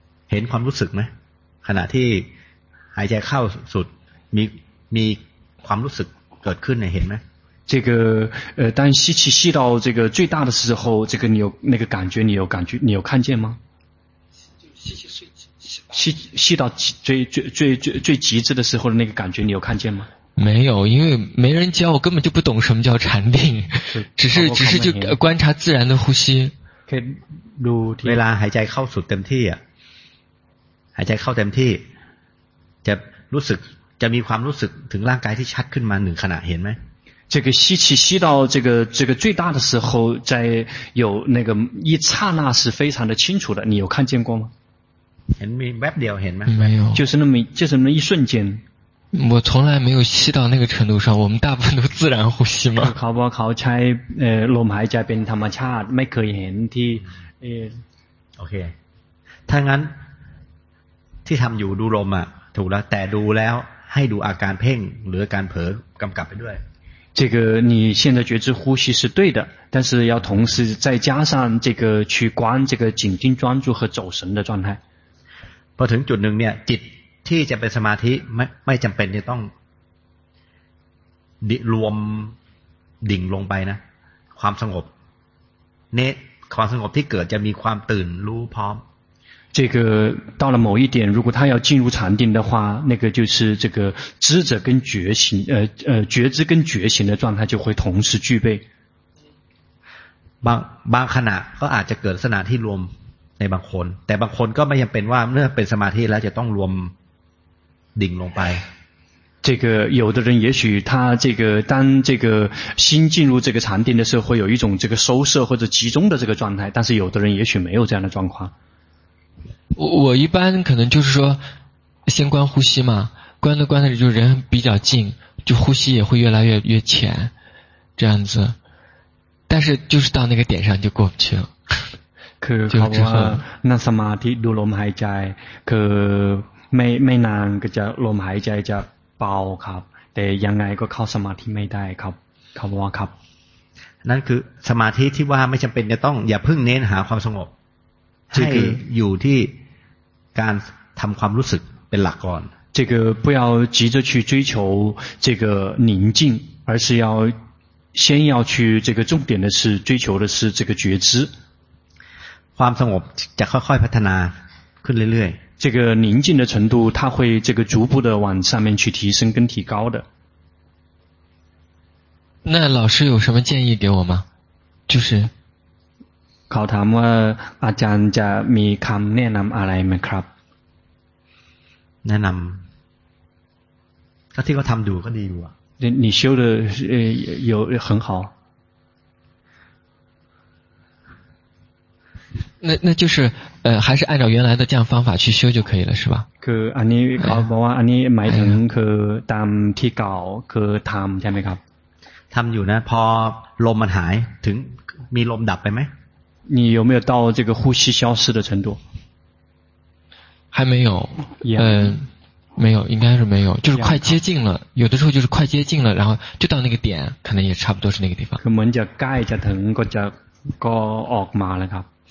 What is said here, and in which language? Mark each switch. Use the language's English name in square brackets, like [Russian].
[Thai] เห็นความรู้สึกไหมขณะที่หายใจเข้าสุดมีความรู้สึกเกิดขึ้นเนี่ยเห็นไหม [Chinese] 这个当吸气吸到这个最大的时候这个你有那个感觉你有感觉你有看见吗吸到最极致的时候的那个感觉你有看见吗没有因为没人教我根本就不懂什么叫禅定只是就观察自然的呼吸 [Thai] เว ลาหายใจเข้าสุดเต็มที่หายใจเข้าเต็มที่จะรู้สึกจะมีความรู้สึกถึงร่างกายที่ชัดขึ้นมาหนึ่งขณะเห็นไหม [Chinese] 这个吸气吸到这个最大的时候在有那个一刹那是非常的清楚的你有看见过吗 [Thai] เห็นมีแวบเดียวเห็น ไหมไม่有 [Chinese] 就是那么一瞬间我从来没有吸到那个程度上我们大部分都自然呼吸嘛 [Thai] เขาบอกเขาใช้ลมหายใจเป็นธรรมชาติไม่เคยเห็นที่ โอเคถ้างั้นที่ทำอยู่ดูลมอ่ะถูกแล้วแต่ดูแล้วให้ดูอาการเพ่งหรือการเผลอกำกับไปด้วย [Chinese] 这个你现在觉知呼吸是对的但是要同时再加上这个去观这个紧盯专注和走神的状态 [Thai] พอถึงจุดหนึ่งเนี่ยจิตที่จะเป็นสมาธิไม่จำเป็นจะต้องรวมดิ่งลงไปนะความสงบเนตความสงบที่เกิดจะมีความตื่นรู้พร้อม [Chinese] 这个到了某一点如果他要进入禅定的话那个就是这个知者跟觉醒觉知跟觉醒的状态就会同时具备 [Thai] บางขณะก็อาจจะเกิดลักษณะที่รวมในบางคนแต่บางคนก็ไม่ยังเป็นว่าเมื่อเป็นสมาธิแล้วจะต้องรวมดิ่งลงไป [Chinese] 这个有的人也许他这个当这个心进入这个禅定的时候会有一种这个收摄或者集中的这个状态但是有的人也许没有这样的状况我一般可能就是说先观呼吸嘛观的就人比较静就呼吸也会越来越浅这样子但是就是到那个点上就过不去了 [Thai] คือเขาว่านั่งสมาธิดูลมหายใจคือไม่นานก็จะลมหายใจจะเบาครับแต่ยังไงก็เข้าสมาธิไม่ได้ครับเขาว่าครับ นั่นคือสมาธิที่ว่าไม่จำเป็นจะต้องอย่าเพิ่งเน้นหาความสงบให้อยู่ที่การทำความรู้สึกเป็นหลักก่อน [Chinese] 这个不要急着去追求这个宁静而是要先要去这个重点的是追求的是这个觉知 [Thai] ความสงบจะค่อยๆพัฒนาขึ้นเรื่อย [Chinese] ๆ这个宁静的程度它会这个逐步的往上面去提升跟提高的那老师有什么建议给我吗就是 [Thai] เขาถามว่าอาจารย์จะมีคำแนะนำอะไรไหมครับ แนะนำก็ที่เขาทำดูก็ดีอยู่อ่ะ [Chinese] 你修的有很好那就是还是按照原来的这样方法去修就可以了是吧 [Thai] คืออันนี้เขาบอกว่าอันนี้หมายถึงคือตามที่เก่าคือทำใช่ไหมครับ ทำอยู่นะพอลมมันหายถึงมีลมดับไปไหม [Chinese] 你有没有到这个呼吸消失的程度还没有没有应该是没有就是快接近了有的时候就是快接近了然后就到那个点可能也差不多是那个地方 [Thai] คือมันจะใกล้จะถึงก็จะก็ออกมาแล้วครับ